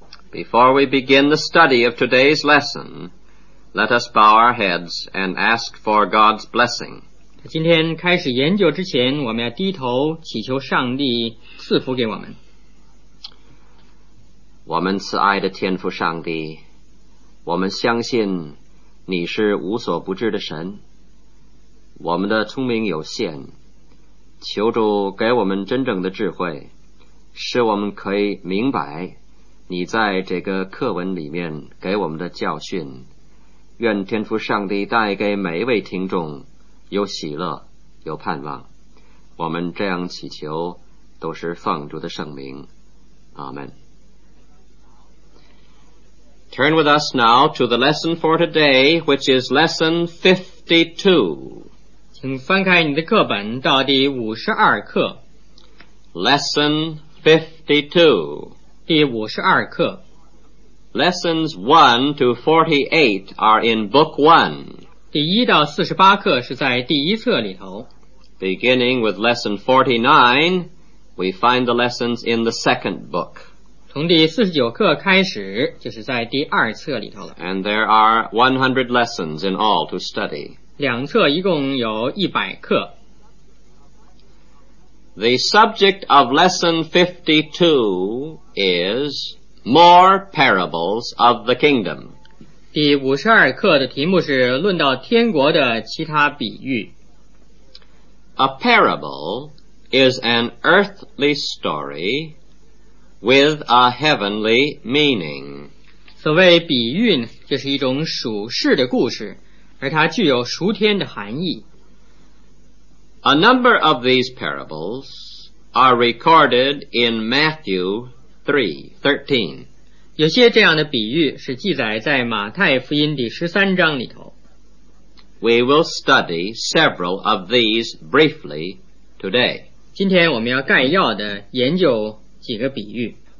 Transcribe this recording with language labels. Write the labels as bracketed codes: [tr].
[en] Before we begin the study of today's lesson, let us bow our heads and ask for God's blessing. [zh] 今天开始研究之前，我们要低头祈求上帝赐福给我们。我们慈爱的天父上帝，我们相信你是无所不知的神，我们的聪明有限，求主给我们真正的智慧，使我们可以明白你在这个课文里面给我们的教训。愿天父上帝带给每一位听众有喜乐，有盼望。我们这样祈求，都是奉主的圣名，阿们。 [en] Turn with us now to the lesson for today, which is lesson 52. [zh] 请翻开你的课本到第五十二课。 [en] Lesson 52. [zh] 第五十二课。 [en] Lessons 1 to 48 are in book 1. [zh] 第一到四十八课是在第一册里头。 [en] Beginning with lesson 49, we find the lessons in the second book. [zh] 从第49课开始，就是在第二册里头了。 [en] And there are 100 lessons in all to study. [zh] 两册一共有100课。 [en] The subject of lesson 52 is More Parables of the Kingdom. [zh] 第52课的题目是论到天国的其他比喻。 [en] A parable is an earthly story,With a heavenly meaning. [zh] 所谓比喻呢，就是一种属世的故事，而它具有属天的含义。 [en] A number of these parables are recorded in Matthew 3:13. [zh] 有些这样的比喻是记载在马太福音第13章里头。 [en] We will study several of these briefly today. [zh] 今天我们要概要的研究几个比喻。